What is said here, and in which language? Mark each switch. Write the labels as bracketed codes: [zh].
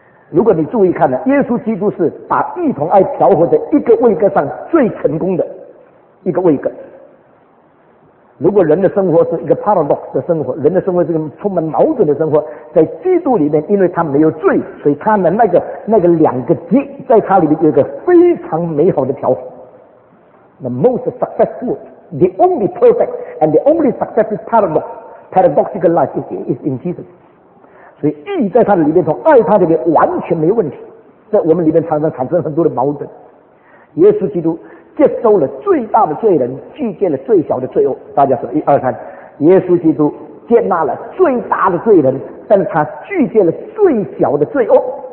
[zh] 如果你注意看呢，耶稣基督是把义同爱调和在一个位格上最成功的一个位格。如果人的生活是一个 paradox 的生活，人的生活是一个充满矛盾的生活，在基督里面，因为他没有罪，所以他的那个两个极在他里面有一个非常美好的调和。 [en] the most successful, the only perfect and the only successful paradoxical life is in Jesus. [zh] 所以义在他的里面，从爱他的里面完全没问题。在我们里面常常产生很多的矛盾。耶稣基督接受了最大的罪人，拒绝了最小的罪恶。大家说一二三，耶稣基督接纳了最大的罪人，但他拒绝了最小的罪恶。